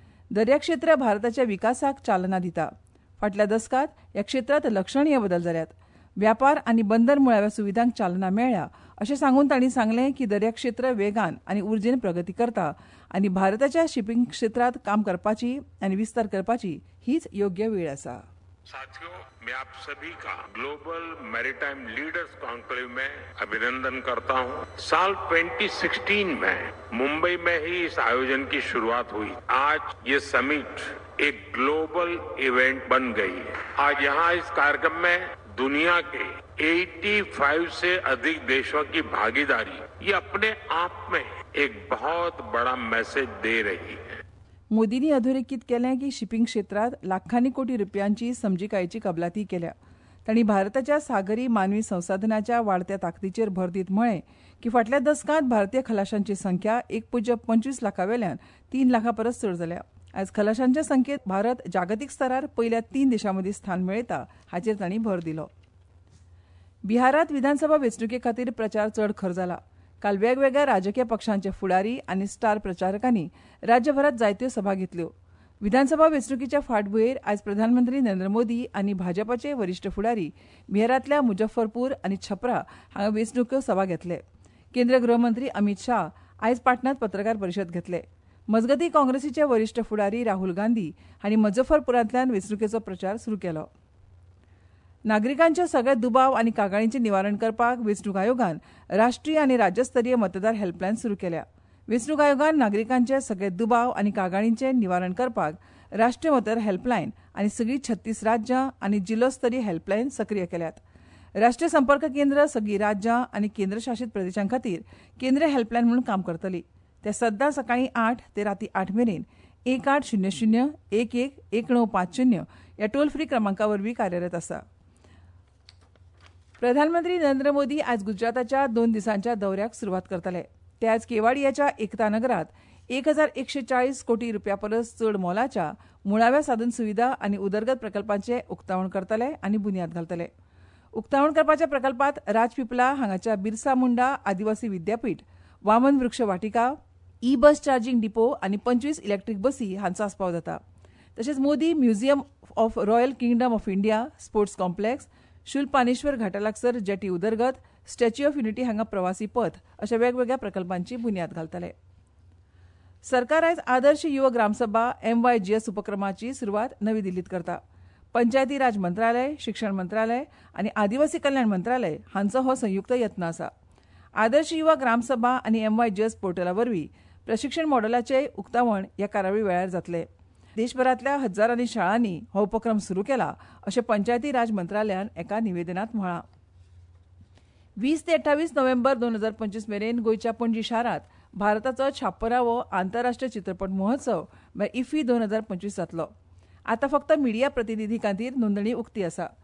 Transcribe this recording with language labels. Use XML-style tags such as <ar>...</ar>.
<gom>दर्या क्षेत्र भारताच्या विकासाक चालना दिता. फाटल्या दशकात ह्या क्षेत्रात लक्षणीय बदल जाल्यात. व्यापार आनी बंदर मुळाव्या सुविधांक चालना मेळ्या अशें सांगून तांणी सांगले की दर्या क्षेत्र वेगान आनी उर्जेन प्रगती करता आनी भारताच्या शिपिंग क्षेत्रात काम करपाची आनी विस्तार करपाची हीच योग्य वेळ आसा.</gom> <hi>मैं आप सभी का ग्लोबल मैरिटाइम लीडर्स कॉन्क्लेव में अभिनंदन करता हूं. साल 2016 में मुंबई में ही इस आयोजन की शुरुआत हुई. आज ये समिट एक ग्लोबल इवेंट बन गई है. आज यहां इस कार्यक्रम में दुनिया के 85 से अधिक देशों की भागीदारी ये अपने आप में एक बहुत बड़ा मैसेज दे रही है.</hi> <gom>मोदींनी अधोरेखित केलें की शिपिंग क्षेत्रात लाखांनी कोटी रुपयांची समजिकायेची कबलाती केल्या. तांणी भारताच्या सागरी मानवी संसाधनाच्या वाढत्या ताकदीचेर भर दीत म्हळें की फाटल्या दशकांत भारतीय खलाशांची संख्या 1.25 लाखावेल्यान 3 लाखापरस चड जाल्या. आयज खलाशांच्या संख्येत भारत जागतीक स्तरार पहिल्या 3 देशांमदीं स्थान मेळयता हाचेर तांणी भर दिलो. बिहारात विधानसभा वेंचणुके खातीर प्रचार चड खर जाला. काल वेगवेगळ्या राजकीय पक्षांचे फुडारी आनी स्टार प्रचारकांनी राज्यभरात जायत्यो सभा घेतल्यो. विधानसभा वेंचणुकेच्या फाटभुंयेर आयज प्रधानमंत्री नरेंद्र मोदी आनी भाजपाचे वरिष्ठ फुडारी बिहारातल्या मुजफ्फरपूर आनी छपरा हांगा वेंचणुको सभा घेतले. केंद्रीय गृहमंत्री अमित शाह आयज पाटणांत पत्रकार परिशद घेतले. मजगतीं काँग्रेसीचे वरिष्ठ फुडारी राहुल गांधी हांणी मुजफ्फरपुरांतल्यान वेंचणुकेचो प्रचार सुरू केलो. नागरिकांच्या सगळ्या दुबाव आनी कागाळींचे निवारण करपाक वेंचणूक आयोगान राष्ट्रीय आनी राज्यस्तरीय मतदार हेल्पलायन सुरू केल्या. वेंचणूक आयोगान नागरिकांचे सगळे दुबाव आनी कागाळींचे निवारण करपाक राष्ट्रीय मतदार हेल्पलायन आनी सगळी 36 राज्यां आनी जिल्लोस्तरीय हेल्पलायन सक्रीय केल्यात. राष्ट्रीय संपर्क केंद्र सगळी राज्यां आनी केंद्रशासित प्रदेशां खातीर केंद्रीय हेल्पलायन म्हणून काम करतली. ते सद्दां सकाळी 8 ते रातीं 8 मेरेन 1800-11-1950 ह्या टोल फ्री क्रमांकावरवीं कार्यरत आसा. प्रधानमंत्री नरेंद्र मोदी आज गुजराताच्या 2 दिसांच्या दौऱ्याक सुरवात करतले. ते आज केवाडियाच्या एकता नगरात 1140 कोटी रुपयापरस चड मोलाच्या मुळाव्या साधन सुविधा आनी उदरगत प्रकल्पांचे उक्तावण करतले आनी बुनयाद घालतले. उक्तावण करपाच्या प्रकल्पात राजपिपला हांगाच्या बिरसा मुंडा आदिवासी विद्यापीठ, वामन वृक्ष वाटिका, ई बस चार्जिंग डिपो आनी 25 इलेक्ट्रीक बसी हांचो आस्पाव जाता. तशेंच Modi museum of royal kingdom of India, sports complex, शूलपानेश्वर घाटा लागसर जेटी उदरगत, स्टॅच्यू ऑफ युनिटी हांगा प्रवासी पथ अशा वेगवेगळ्या प्रकल्पांची बुनयाद घालतले. सरकार आयज आदर्श युव ग्रामसभा MYGS उपक्रमाची सुरवात नवी दिल्लीत करता. पंचायती राज मंत्रालय, शिक्षण मंत्रालय आनी आदिवासी कल्याण मंत्रालय हांचो हो संयुक्त यत्न आसा. आदर्श युव ग्रामसभा आनी MYGS पोर्टलावरवीं प्रशिक्षण मॉडलाचे उक्तावण ह्या कार्यावळी वेळार जातले. देशभरातल्या हजारांनी शाळांनी हो उपक्रम सुरू केला अशें पंचायती राज मंत्रालयान एका निवेदनात म्हळां. 20 ते 28 नोव्हेंबर 2025 मेरेन गोंयच्या पणजी शारांत भारताचो 56वो आंतरराष्ट्रीय चित्रपट महोत्सव म्हळ्यार इफ्फी 2025 जातलो. आतां फक्त मिडिया प्रतिनिधी खातीर नोंदणी उक्ती आसा.</gom>